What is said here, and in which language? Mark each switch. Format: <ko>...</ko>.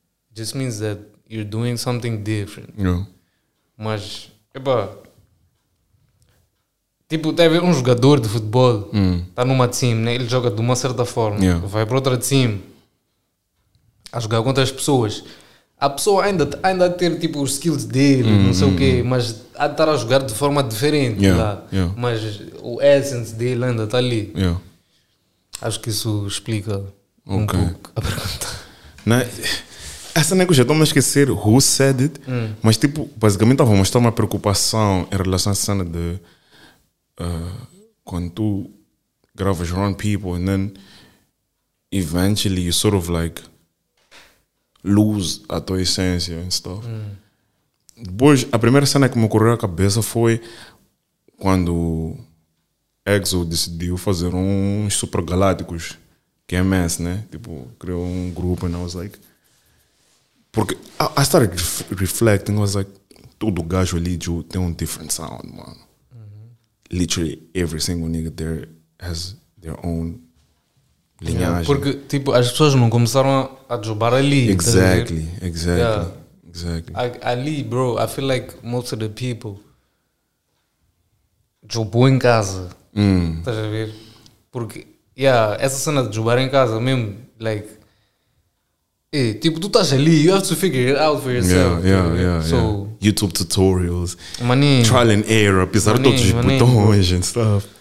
<en>It just means that you're doing something different. Yeah.</en> <pt>Mas, epá, tipo, deve um jogador de futebol, está numa team, né? Ele joga de uma certa forma, vai para outra team, a jogar contra as pessoas. A pessoa ainda ter, tipo, os skills dele, não sei o quê, mas há de estar a jogar de forma diferente, mas o essence dele ainda está ali.</pt> <en>Yeah.</en> <pt>Acho que isso explica um pouco a pergunta. Essa negócio, eu estou a esquecer</pt> <en>who said it,</en> <pt>mas, tipo, basicamente estava a mostrar uma preocupação em relação à cena de quando tu gravas</pt> <en>around people and then eventually you sort of like lose</en> <pt>a tua essência</pt> <en>and stuff.</en> <pt>Depois, a primeira cena que me ocorreu à cabeça foi quando EXO decidiu fazer uns Super Galácticos, que é MS, né? Tipo, criou um grupo</pt> <en>and I was like... Porque I started reflecting, I was like,</en> <pt>todo gajo ali tem um</pt> <en>different sound, mano. Literally, every single nigga there has their own linhagem.</en> <pt>Porque, tipo, as pessoas não começaram a jogar ali.</pt> <en>Exactly, exactly. Yeah. Exactly. Ali, bro, I feel like most of the people.</en> <pt>Jobou em casa. Estás a ver? Porque, yeah, essa cena de jogar em casa mesmo, like. Hey, tipo, tu estás ali,</pt> <en>you have to figure it out for yourself. Yeah. YouTube tutorials. Maninho. Trial and error,</en> <pt>pisar todos os botões</pt> <en>and stuff.</en>